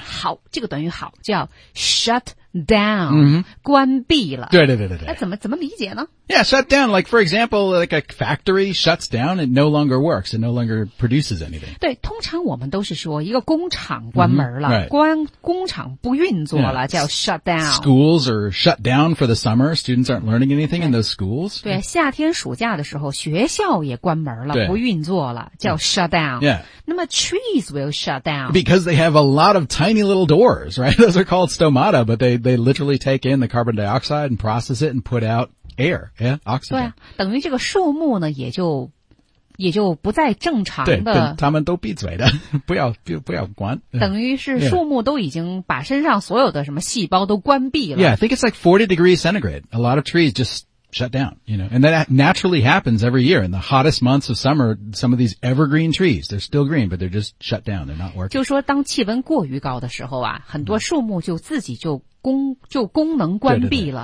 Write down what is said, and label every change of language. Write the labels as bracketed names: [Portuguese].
[Chinese] 好这个短语好叫 shut down、 mm-hmm. 关闭了对对对对对、怎么理解呢 [English] yeah shut down like for example like a factory shuts down it no longer works it no longer produces anything [Chinese] 对通常我们都是说一个工厂关门了、 [English] mm-hmm. right. [Chinese] 工厂不运作了、 [English] yeah. [Chinese] 叫 shut down [English] schools are shut down for the summer students aren't learning anything in those schools [Chinese] 对夏天暑假的时候学校也关门了不运作了叫 shut down、 [English] yeah. [Chinese] 那么 [English] trees will shut down because they have a lot of tiny little doors right those are called stomata but they literally take in the carbon dioxide and process it and put out air, yeah, oxygen. [Chinese] 对啊，等于这个树木呢，也就不再正常的。对，他们都闭嘴的，不要关。等于是树木都已经把身上所有的什么细胞都关闭了。 [English] Yeah, I think it's like 40 degrees centigrade. A lot of trees just shut down, you know. And that naturally happens every year. In the hottest months of summer, some of these evergreen trees, they're still green, but they're just shut down. They're not working. [Chinese] 就说当气温过于高的时候啊，很多树木就自己就功能关闭了。